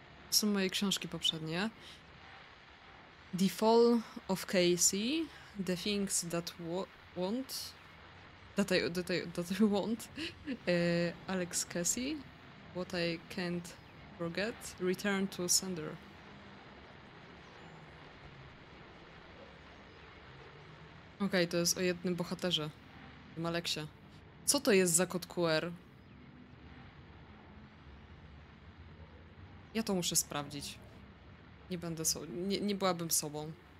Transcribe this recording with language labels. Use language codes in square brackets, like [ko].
[pl] Są moje książki poprzednie. [en] The Fall of Casey, The Things That Won't, that I Won't, Alex Casey, What I Can't Forget, Return to Sender. [pl] Okej, to jest o jednym bohaterze, o Aleksie. Co to jest za kod QR? Ja to muszę sprawdzić. Nie będę sobą. Nie byłabym sobą.